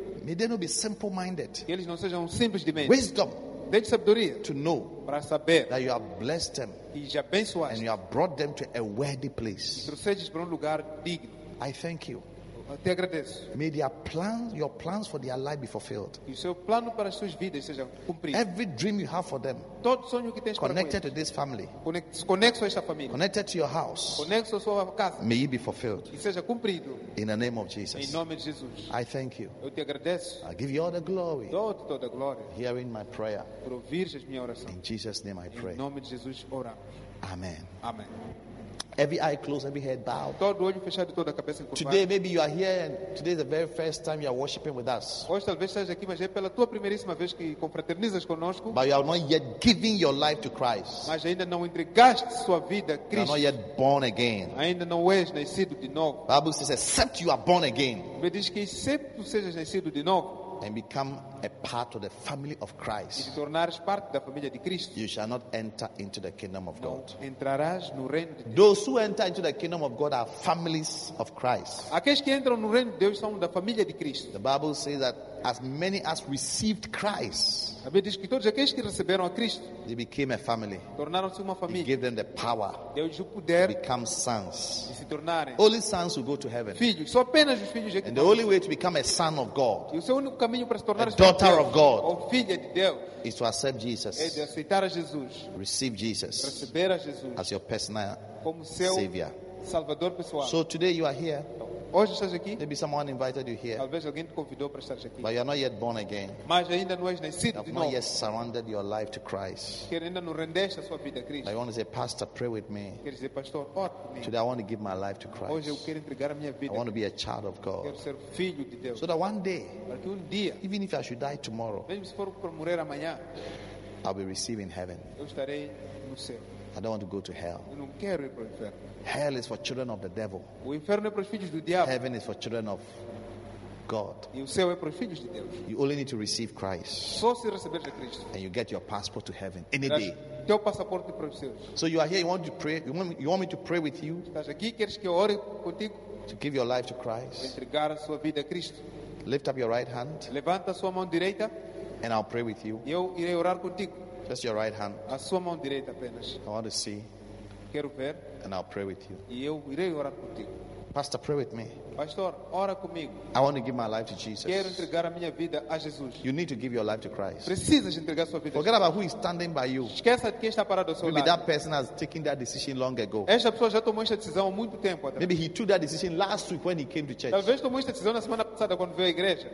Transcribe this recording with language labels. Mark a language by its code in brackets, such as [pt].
[en] May they not be simple-minded. [pt] Que eles não sejam simples de mente. [en] Wisdom. [pt] Dê-lhes sabedoria. [en] To know. [pt] Para saber. [en] That you have blessed them. [pt] E já abençoaste. [en] And you have brought them to a worthy place. [pt] E trouxeste-os para lugar digno. [en] I thank you. [pt] Eu te agradeço. [en] May their plans, your plans for their life be fulfilled. [pt] E o seu plano para as suas vidas seja cumprido. [en] Every dream you have for them. [pt] Todo sonho que tens [en] connected [pt] para [en] to this family. [pt] Conecto a esta família. [en] Connected to your house. [pt] Conecto a sua casa. [en] May it be fulfilled. [pt] E seja cumprido. [en] In the name of Jesus. [pt] Em nome de Jesus. [en] I thank you. [pt] Eu te agradeço. [en] I give you all the glory. [pt] Dou-te toda a glória. [en] Hearing my prayer. [pt] Por ouvires a minha oração. [en] In Jesus' name I pray. [pt] Em nome de Jesus oramos. [en] Amen. [pt] Amém. [en] Every eye closed, every head bowed. [pt] Todo olho fechado, toda cabeça encurvada. [en] Today, maybe you are here and today is the very first time you are worshiping with us. [pt] Hoje talvez estás aqui, mas é pela tua primeiríssima vez que confraternizas conosco. [en] But you are not yet giving your life to Christ. [pt] Mas ainda não entregaste sua vida a Cristo. [en] You are not yet born again. [pt] Ainda não és nascido de novo. [en] Bible says, except you are born again. [pt] Me diz que [en] except [pt] tu sejas nascido de novo. [en] And become a part of the family of Christ. [pt] E te tornares parte da família de Cristo. [en] You shall not enter into the kingdom of God. [pt] Não entrarás no reino de Deus. [en] Those who enter into the kingdom of God are families of Christ. [pt] Aqueles que entram no reino de Deus são da família de Cristo. [en] The Bible says that as many as received Christ, [pt] a Bíblia diz que todos aqueles que receberam a Cristo, [en] they became a family. [pt] Tornaram-se uma família. [en] He gave them the power. [pt] Deus o poder. [en] To become sons. [pt] De se tornarem. [en] Only sons will go to heaven. [pt] Filhos. Só apenas os filhos. [en] And the only way to become a son of God. [pt] E o seu único caminho para se tornar [en] a daughter of God. [pt] Ou filha de Deus. [en] Is to accept Jesus. [pt] É de aceitar a Jesus. [en] Receive Jesus. [pt] Receber a Jesus. [en] As your personal [pt] como seu [en] savior. [pt] Salvador pessoal. [en] So today you are here. [pt] Hoje estás aqui? [en] Maybe someone invited you here. [pt] Talvez alguém te convidou para estar aqui. [en] But you are not yet born again. [pt] Mas ainda não és nascido de novo. [en] Not yet surrendered your life to Christ. [pt] Quer ainda não rendeste a sua vida a Cristo. [en] I want to say, Pastor, pray with me. [pt] Quer dizer, pastor, ore por mim. [en] Today I want to give my life to Christ. [pt] Hoje eu quero entregar a minha vida. [en] I want to be a child of God. [pt] Quero ser filho de Deus. [en] So that one day, [pt] para que dia, [en] even if I should die tomorrow, [pt] mesmo se for para morrer amanhã, [en] I'll be receiving heaven. [pt] Eu estarei no céu. [en] I don't want to go to hell. [pt] Eu não quero ir para o inferno. [en] Hell is for children of the devil. [pt] O inferno é para os filhos do diabo. [en] Heaven is for children of God. [pt] E o céu é para os filhos de Deus. [en] You only need to receive Christ. [pt] Só se receber de Cristo. [en] And you get your passport to heaven any day. [pt] Teu passaporte para os céus. [en] So you are here. You want to pray. You want me to pray with you. [pt] Estás aqui, queres que eu ore contigo? [en] To give your life to Christ. [pt] Entregar a sua vida a Cristo. [en] Lift up your right hand. [pt] Levanta a sua mão direita. [en] And I'll pray with you. [pt] E eu irei orar contigo. [en] Just your right hand. [pt] A sua mão direita apenas. [en] I want to see. [pt] Quero ver. [en] And I'll pray with you. [pt] E eu irei orar contigo. [en] Pastor, pray with me. [pt] Pastor, ora comigo. [en] I want to give my life to Jesus. [pt] Quero entregar a minha vida a Jesus. [en] You need to give your life to Christ. [pt] Precisas entregar sua vida. [en] Forget about who is standing by you. [pt] Esqueça de quem está parado ao seu [en] Maybe [pt] lado. [en] That person has taken that decision long ago. [pt] Esta pessoa já tomou esta decisão há muito tempo atrás. [en] Maybe he took that decision last week when he came to church. [pt] Talvez tomou esta decisão na semana passada quando veio à igreja.